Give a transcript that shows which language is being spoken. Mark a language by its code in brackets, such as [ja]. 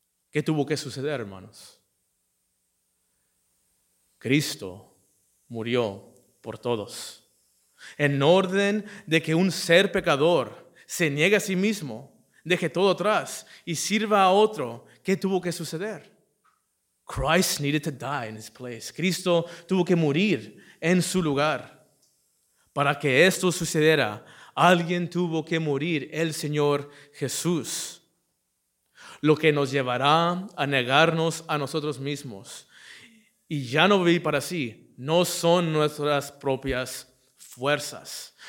[es] ¿Qué tuvo que suceder, hermanos? Cristo murió por todos. En orden de que un ser pecador se niegue a sí mismo, deje todo atrás y sirva a otro, ¿qué tuvo que suceder? [en] Christ needed to die in his place. [es] Cristo tuvo que morir en su lugar. Para que esto sucediera, alguien tuvo que morir, el Señor Jesús. Lo que nos llevará a negarnos a nosotros mismos y ya no vivir para sí, no son nuestras propias fuerzas.